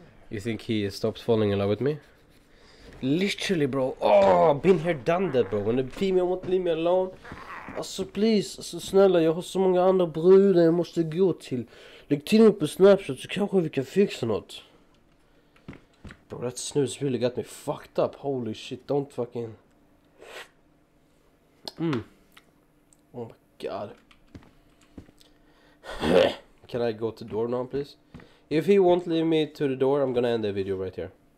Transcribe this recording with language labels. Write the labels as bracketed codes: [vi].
[en] You think he stops falling in love with me? Literally, bro. Oh, been here, done that, bro. When the female won't leave me alone. [sv] Alltså, [en] please. [sv] Alltså, snälla. Jag har så många andra brudar jag måste gå till. Lägg till mig på Snapchat så kanske vi kan fixa något. [en] Bro, that snooze really got me fucked up. Holy shit, don't fucking... Oh my god. Can I go to door now, please? If he won't leave me to the door, I'm gonna end the video right here.